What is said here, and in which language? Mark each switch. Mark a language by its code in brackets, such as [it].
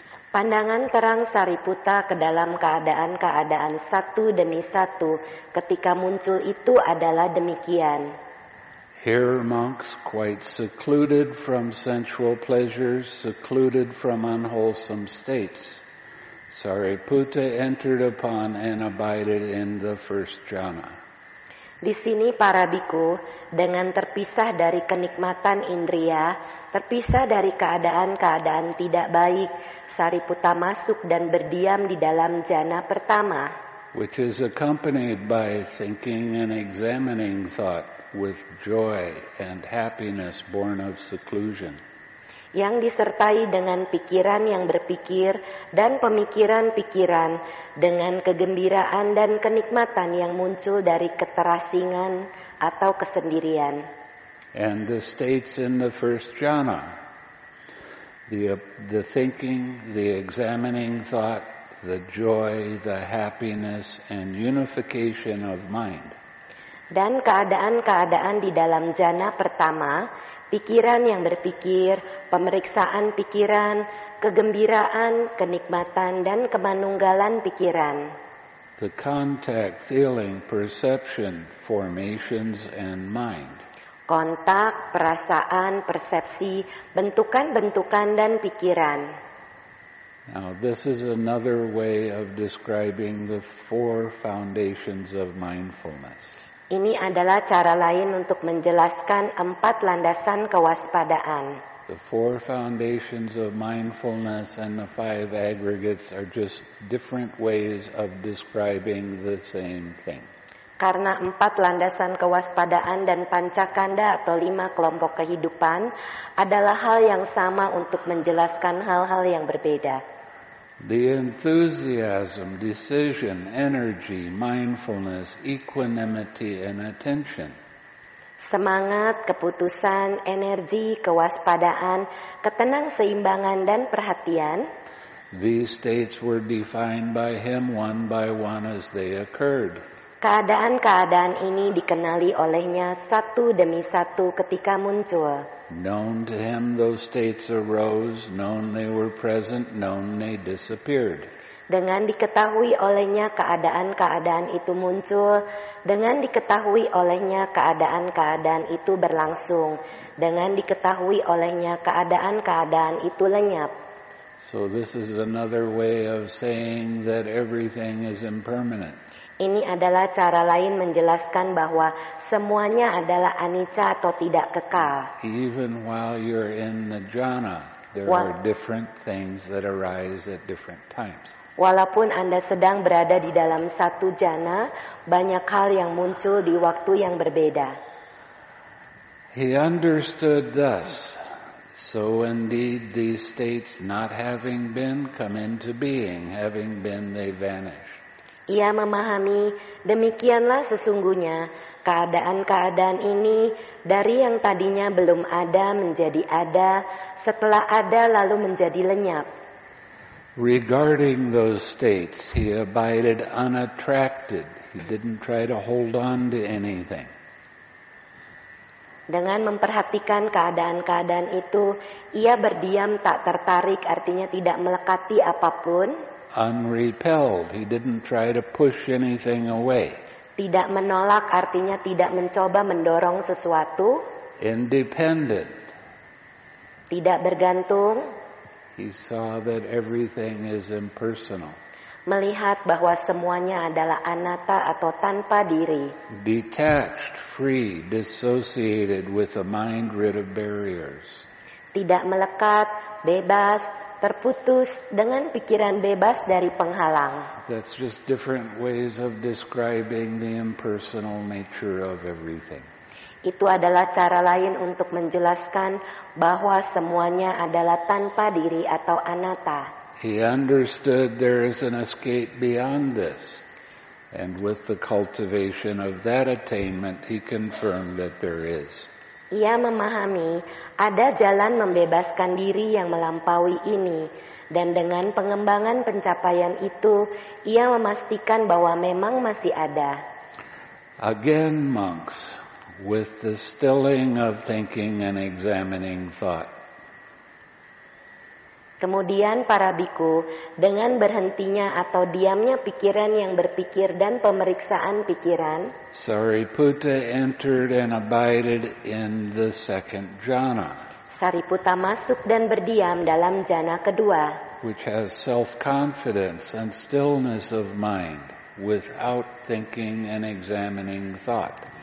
[id] Pandangan terang Sariputta ke dalam keadaan-keadaan satu demi satu ketika muncul itu adalah demikian. [en] Here monks, quite secluded from sensual pleasures, secluded from unwholesome states, Sariputta entered upon and abided in the first jhana. [id] Di sini para biku, dengan terpisah dari kenikmatan indria, terpisah dari keadaan-keadaan tidak baik, Sariputta masuk dan berdiam di dalam jhana pertama. [en] Which is accompanied by thinking and examining thought with joy and happiness born of seclusion. [id] yang disertai dengan pikiran yang berpikir dan pemikiran-pikiran dengan kegembiraan dan kenikmatan yang muncul dari keterasingan atau kesendirian. [en] And the states in the first jhana, the thinking, the examining thought, the joy, the happiness, and unification of mind. [id] Dan keadaan-keadaan di dalam jhana pertama, pikiran yang berpikir, pemeriksaan pikiran, kegembiraan, kenikmatan, dan kemanunggalan pikiran. [en] The contact, feeling, perception, formations, and mind. [id] Kontak, perasaan, persepsi, bentukan-bentukan, dan pikiran. [en] Now, this is another way of describing the four foundations of mindfulness. [id] Ini adalah cara lain untuk menjelaskan empat landasan kewaspadaan. [en] The four foundations of mindfulness and the five aggregates are just different ways of describing the same thing. [id] Karena empat landasan kewaspadaan dan pancakanda atau lima kelompok kehidupan adalah hal yang sama untuk menjelaskan hal-hal yang berbeda. [en] The enthusiasm, decision, energy, mindfulness, equanimity, and attention. [id] Semangat, keputusan, energi, kewaspadaan, ketenang seimbangan, dan perhatian. [en] These states were defined by him one by one as they occurred. [id] Keadaan-keadaan ini dikenali olehnya satu demi satu ketika muncul. [en] Known to him, those states arose. Known they were present. Known they disappeared. [id] Dengan diketahui olehnya keadaan-keadaan itu muncul. Dengan diketahui olehnya keadaan-keadaan itu berlangsung. Dengan diketahui olehnya keadaan-keadaan itu lenyap. [en] So this is another way of saying that everything is impermanent. [id] Ini adalah cara lain menjelaskan bahwa semuanya adalah anicca atau tidak kekal. [en] Even while you're in the jhana, there are different things that arise at different times. [id] Walaupun Anda sedang berada di dalam satu jhana, banyak hal yang muncul di waktu yang berbeda. [en] He understood thus. So indeed these states not having been come into being, having been they vanish. [id] Ia memahami, demikianlah sesungguhnya keadaan-keadaan ini dari yang tadinya belum ada menjadi ada, setelah ada lalu menjadi lenyap. [en] Regarding those states, he abided unattracted. He didn't try to hold on to anything. [id] Dengan memperhatikan keadaan-keadaan itu, ia berdiam tak tertarik, artinya tidak melekati apapun. [en] Unrepelled, he didn't try to push anything away. [id] Tidak menolak artinya tidak mencoba mendorong sesuatu. [en] Independent. [id] Tidak bergantung. [en] He saw that everything is impersonal. [id] Melihat bahwa semuanya adalah anatta atau tanpa diri. [en] Detached, free, dissociated with a mind rid of barriers. [id] Tidak melekat, bebas, terputus dengan pikiran bebas dari penghalang. [en] That's just different ways of describing the impersonal nature of everything. [id] Itu adalah cara lain untuk menjelaskan bahwa semuanya adalah tanpa diri atau anatta. [en] He understood there is an escape beyond this, and with the cultivation of that attainment, he confirmed that there is. [id] Ia memahami ada jalan membebaskan diri yang melampaui ini, dan dengan pengembangan pencapaian itu, ia memastikan bahwa memang masih ada. [en] Again, monks, with the stilling of thinking and examining thought. [id] Kemudian para bhikkhu, dengan berhentinya atau diamnya pikiran yang berpikir dan pemeriksaan pikiran, [en] Sariputta entered and abided in the second jhana. [id] Sariputta masuk dan berdiam dalam jhana kedua, [en] which has self-confidence and stillness of mind without thinking and examining thought.